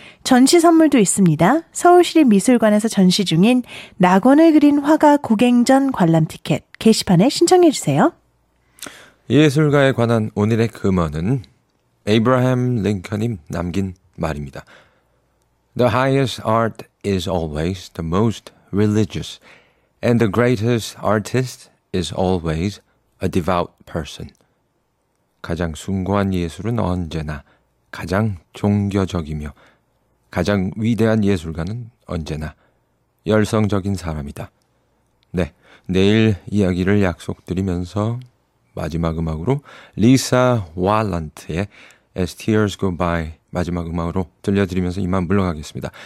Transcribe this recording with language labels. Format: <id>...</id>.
<ko>전시 선물도 있습니다. 서울시립 미술관에서 전시 중인 낙원을 그린 화가 고갱전 관람 티켓 게시판에 신청해 주세요. 예술가에 관한 오늘의 금언은 에이브라함 링컨님 남긴 말입니다.</ko> <en>The highest art is always the most religious, and the greatest artist is always a devout person.</en> <ko>가장 숭고한 예술은 언제나 가장 종교적이며 가장 위대한 예술가는 언제나 열성적인 사람이다. 네, 내일 이야기를 약속드리면서 마지막 음악으로 리사 왈란트의 As Tears Go By 마지막 음악으로 들려드리면서 이만 물러가겠습니다.</ko>